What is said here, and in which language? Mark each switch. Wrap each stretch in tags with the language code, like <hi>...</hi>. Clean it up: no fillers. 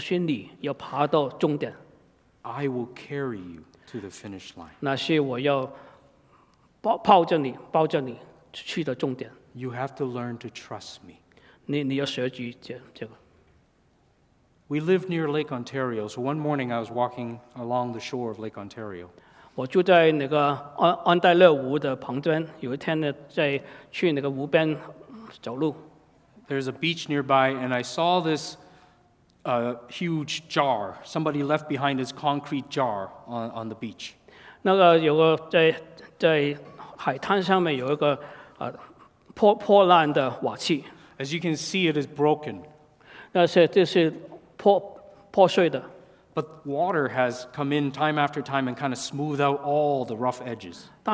<zh>不是你，神对我说，不是你要爬到终点。</zh> <en>I will carry you to the finish line.</en> <zh>那是我要抱着你，抱着你去的终点。</zh> <en>You have to learn to trust me.</en> <zh>你要学习这个。</zh> <en>We live near Lake Ontario, so one morning I was walking along the shore of Lake Ontario.</en> <zh>我住在那个安大略湖的旁边，有一天呢，在去那个湖边走路。</zh> <en>There's a beach nearby, and I saw this huge jar. Somebody left behind this concrete jar on the beach.</en> <zh>那个有个在海滩上面有一个破烂的瓦器。</zh> <en>As you can see, it is broken.</en> <zh>那是这是。</zh> <en>But water has come in time after time and kind of smoothed out all the rough edges.</en>